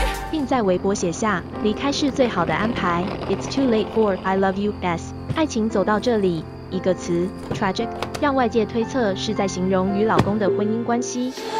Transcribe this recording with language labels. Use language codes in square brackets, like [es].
[zh] 并在微博写下，离开是最好的安排。 [en] It's too late for I love you, S. [zh] 爱情走到这里，一个词 tragic, 让外界推测是在形容与老公的婚姻关系。